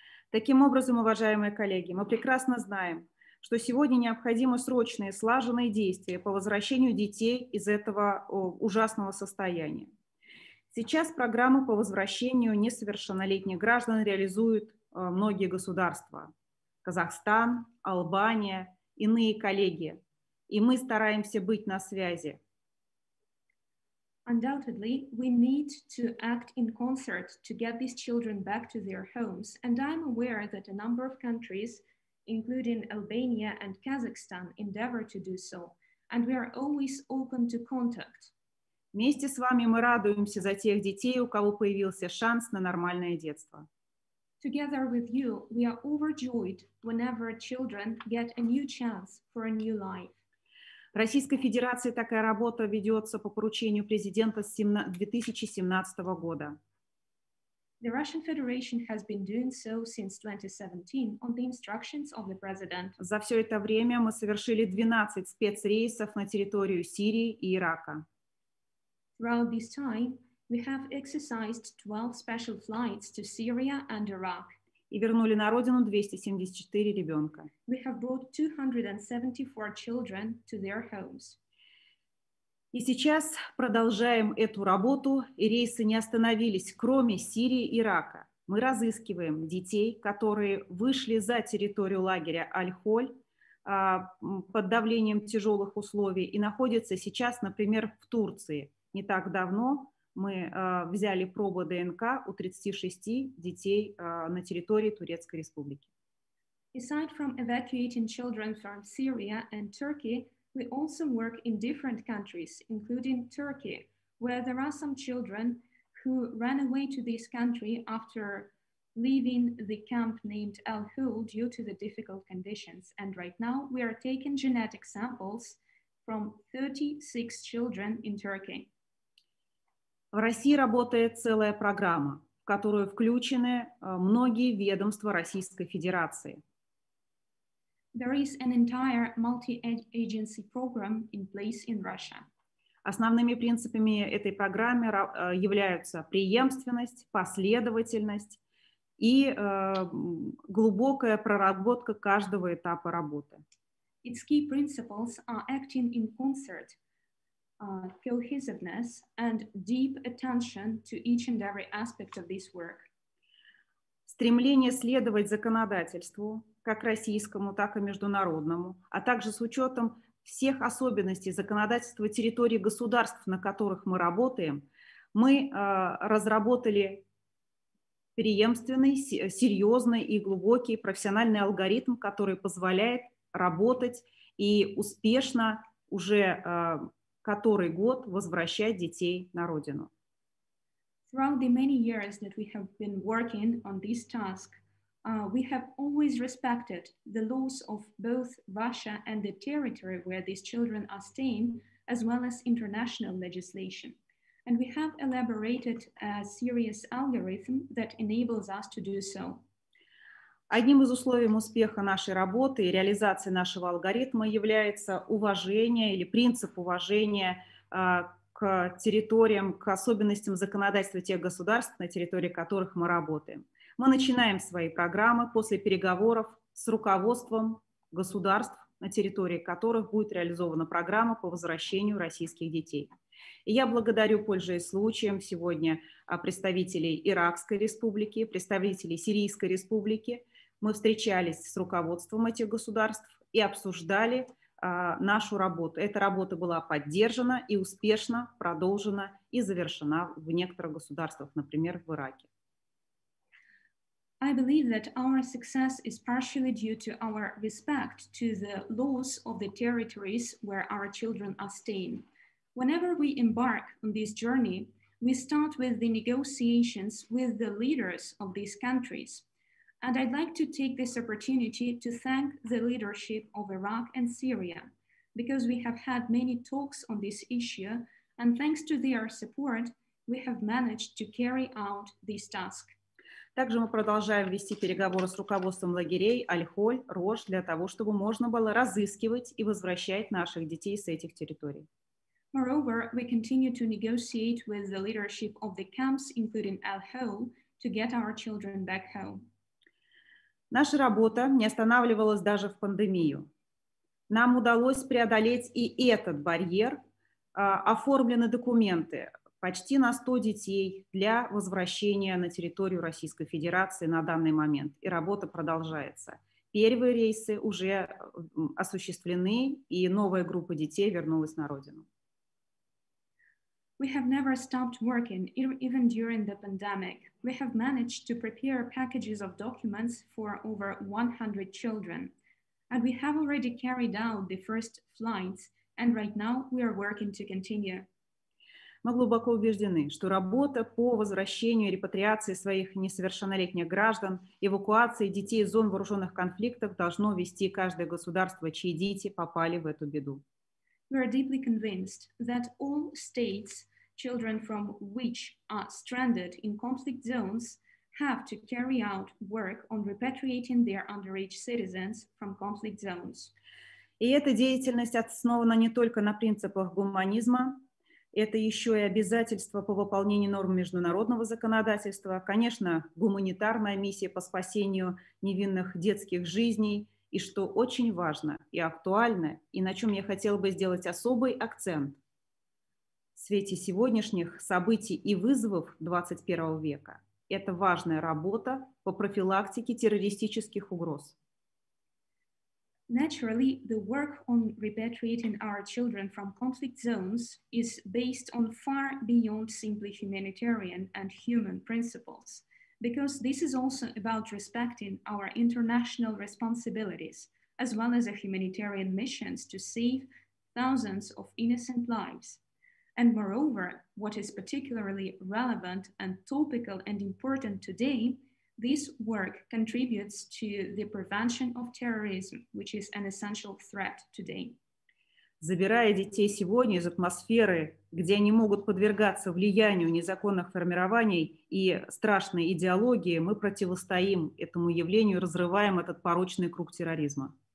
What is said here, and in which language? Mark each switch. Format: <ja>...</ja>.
<ru>Таким образом, уважаемые коллеги, мы прекрасно знаем, что сегодня необходимы срочные, слаженные действия по возвращению детей из этого ужасного состояния. Сейчас программы по возвращению несовершеннолетних граждан реализуют многие государства. Казахстан, Албания, иные коллеги. И мы стараемся быть на связи.</ru> <en>Undoubtedly, we need to act in concert to get these children back to their homes. And I'm aware that a number of countries, including Albania and Kazakhstan, endeavor to do so. And we are always open to contact.</en> <ru>Вместе с вами мы радуемся за тех детей, у кого появился шанс на нормальное детство.</ru> <en>Together with you, we are overjoyed whenever children get a new chance for a new life.</en> <ru>В Российской Федерации такая работа ведется по поручению президента с 2017 года.</ru> <en>The Russian Federation has been doing so since 2017 on the instructions of the president.</en> <ru>За все это время мы совершили 12 спецрейсов на территорию Сирии и Ирака.</ru> <en>Throughout this time, we have exercised 12 special flights to Syria and Iraq.</en> <ru>И вернули на родину 274 ребенка.</ru> <en>We have brought 274 children to their homes.</en> <ru>И сейчас продолжаем эту работу, и рейсы не остановились, кроме Сирии и Ирака. Мы разыскиваем детей, которые вышли за территорию лагеря Аль-Холь под давлением тяжелых условий и находятся сейчас, например, в Турции. Не так давно мы взяли пробы ДНК у 36 детей на территории Турецкой Республики.</ru> <en>Aside from evacuating children from Syria and Turkey, we also work in different countries, including Turkey, where there are some children who ran away to this country after leaving the camp named Al-Hul due to the difficult conditions. And right now we are taking genetic samples from 36 children in Turkey.</en> <ru>В России работает целая программа, в которую включены многие ведомства Российской Федерации.</ru> <en>There is an entire multi-agency program in place in Russia.</en> <ru>Основными принципами этой программы являются преемственность, последовательность и глубокая проработка каждого этапа работы.</ru> <en>Its key principles are acting in concert, cohesiveness and deep attention to each and every aspect of this work.</en> <ru>Стремление следовать законодательству, как российскому, так и международному, а также с учетом всех особенностей законодательства территории государств, на которых мы работаем, мы разработали преемственный, серьезный и глубокий профессиональный алгоритм, который позволяет работать и успешно уже который год возвращать детей на родину.</ru> <en>Throughout the many years that we have been working on this task, we have always respected the laws of both Russia and the territory where these children are staying, as well as international legislation. And we have elaborated a serious algorithm that enables us to do so.</en> <ru>Одним из условий успеха нашей работы и реализации нашего алгоритма является уважение или принцип уважения к территориям, к особенностям законодательства тех государств, на территории которых мы работаем. Мы начинаем свои программы после переговоров с руководством государств, на территории которых будет реализована программа по возвращению российских детей. И я благодарю, пользуясь случаем, сегодня представителей Иракской республики, представителей Сирийской республики. Мы встречались с руководством этих государств и обсуждали нашу работу. Эта работа была поддержана и успешно продолжена и завершена в некоторых государствах, например, в Ираке.</ru> <en>I believe that our success is partially due to our respect to the laws of the territories where our children are staying. Whenever we embark on this journey, we start with the negotiations with the leaders of these countries. And I'd like to take this opportunity to thank the leadership of Iraq and Syria, because we have had many talks on this issue, and thanks to their support, we have managed to carry out this task.</en> <ru>Также мы продолжаем вести переговоры с руководством лагерей Аль-Холь, Рож, для того, чтобы можно было разыскивать и возвращать наших детей с этих территорий.</ru> <en>Moreover, we continue to negotiate with the leadership of the camps, including Al-Hol, to get our children back home.</en> <ru>Наша работа не останавливалась даже в пандемию. Нам удалось преодолеть и этот барьер. Оформлены документы почти на 100 детей для возвращения на территорию Российской Федерации на данный момент. И работа продолжается. Первые рейсы уже осуществлены, и новая группа детей вернулась на родину.</ru> <en>We have never stopped working, even during the pandemic. We have managed to prepare packages of documents for over 100 children. And we have already carried out the first flights, and right now we are working to continue.</en> <ru>Мы глубоко убеждены, что работа по возвращению и репатриации своих несовершеннолетних граждан, эвакуации детей из зон вооруженных конфликтов должно вести каждое государство, чьи дети попали в эту беду.</ru> <en>We are deeply convinced that all states, children from which are stranded in conflict zones, have to carry out work on repatriating their underage citizens from conflict zones.</en> <ru>И эта деятельность основана не только на принципах гуманизма, это еще и обязательство по выполнению норм международного законодательства, конечно, гуманитарная миссия по спасению невинных детских жизней, и что очень важно и актуально, и на чем я хотела бы сделать особый акцент в свете сегодняшних событий и вызовов 21 века, это важная работа по профилактике террористических угроз.</ru> <en>Naturally, the work on repatriating our children from conflict zones is based on far beyond simply humanitarian and human principles, because this is also about respecting our international responsibilities, as well as our humanitarian missions to save thousands of innocent lives. And moreover, what is particularly relevant and topical and important today, this work contributes to the prevention of terrorism, which is an essential threat today.</en> <ru>Забирая детей сегодня из атмосферы, где они могут подвергаться влиянию незаконных формирований и страшной идеологии, мы противостоим этому явлению, разрываем этот порочный круг терроризма.</ru>